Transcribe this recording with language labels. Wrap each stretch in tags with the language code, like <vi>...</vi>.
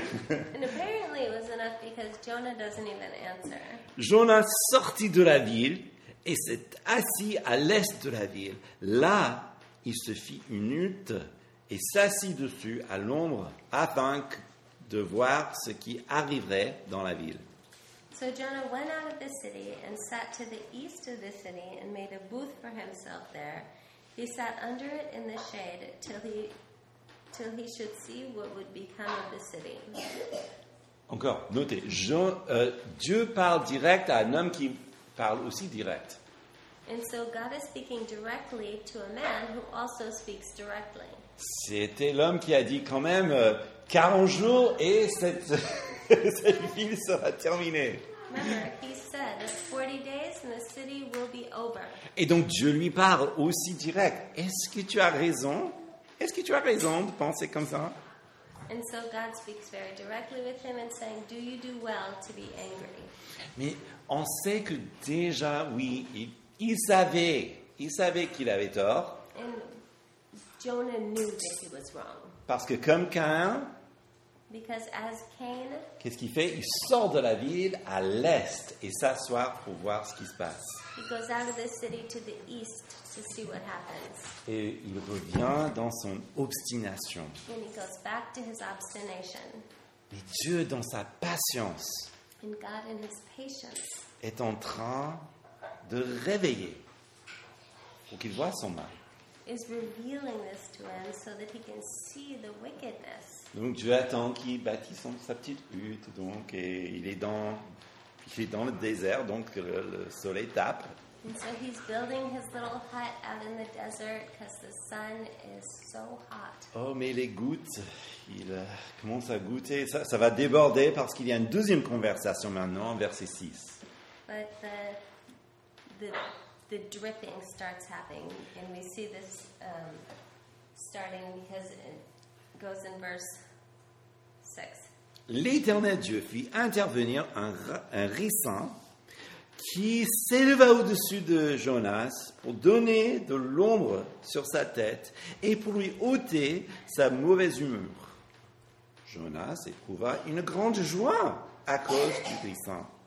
<en>And apparently it was enough because Jonah doesn't even answer.</en> <fr>Jonas sortit de la ville et s'est assis à l'est de la ville. Là, il se fit une hutte et s'assit dessus à l'ombre afin de voir ce qui arriverait dans la ville.</fr> <en>So Jonah went out of the city and sat to the east of the city and made a booth for himself there. He sat under it in the shade till he should see what would become of the city.</en> <fr>Encore, notez, Dieu parle direct à un homme qui parle aussi direct.</fr> <en>And so God is speaking directly to a man who also speaks directly.</en> <fr>C'était l'homme qui a dit quand même 40 jours et cette ville sera terminée.</fr> <en>Remember, he said, 40 days and the city will be over.</en> <fr>Et donc Dieu lui parle aussi direct. Est-ce que tu as raison? Est-ce que tu as raison de penser comme ça?</fr> <en>And so God speaks very directly with him and saying, do you do well to be angry?</en> <fr>Mais on sait que déjà, oui, il savait qu'il avait tort.</fr> <en>And Jonah knew that he was wrong.</en> <fr>Parce que comme Cain,</fr> <en>because as Cain,</en> <fr>qu'est-ce qu'il fait? Il sort de la ville à l'est et s'asseoir pour voir ce qui se passe.</fr> <en>He goes out of the city to the east to see what happens.</en> <fr>Et il revient dans son obstination.</fr> <en>And he goes back to his obstination.</en> <fr>Mais Dieu, dans sa patience,</fr> <en>and God in his patience,</en> <fr>est en train de réveiller pour qu'il voie son mal.</fr> <en>Is revealing this to him so that he can see the wickedness.</en> <fr>Donc Dieu attend qu'il bâtisse sa petite hutte, donc, et il est dans le désert, donc le soleil tape.</fr> <en>And so he's building his little hut out in the desert because the sun is so hot.</en> <fr>Oh, mais les gouttes, il commence à goûter, ça va déborder parce qu'il y a une deuxième conversation maintenant, verset 6.</fr> <en>But the dripping starts happening, and we see this starting because it goes in verse 6.</en> <fr>L'Éternel Dieu fit intervenir un ricin qui s'éleva au-dessus de Jonas pour donner de l'ombre sur sa tête et pour lui ôter sa mauvaise humeur. Jonas éprouva une grande joie à cause du ricin.</fr>